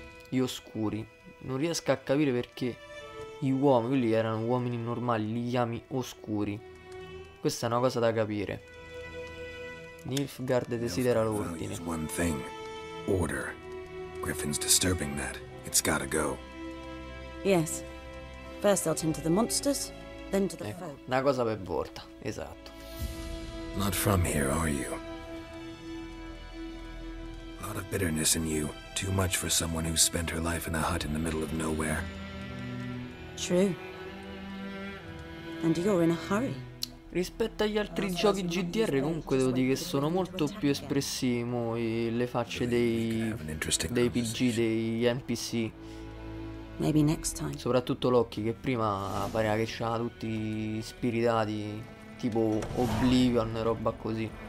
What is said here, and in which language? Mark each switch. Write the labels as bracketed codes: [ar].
[it] Gli oscuri. Non riesco a capire perché gli uomini, quelli erano uomini normali, li chiami oscuri. Questa è una cosa da capire. Nilfgaard desidera l'ordine. [en] One thing. Order. Griffin's disturbing that. It's gotta go. Yes. First they'll tend to the monsters, then to the folk. [it] Una cosa per volta, esatto. [en] Not from here, are you? A lot of bitterness in you. Too much for someone who spent her life in a hut in the middle of nowhere. True. And you're in a hurry. [it] Rispetto agli altri giochi GDR, comunque devo dire che sono molto più espressivi le facce dei PG, dei NPC. [en] Maybe next time. [it] Soprattutto Loki, che prima pareva che c'era tutti spiritati, tipo Oblivion, roba così.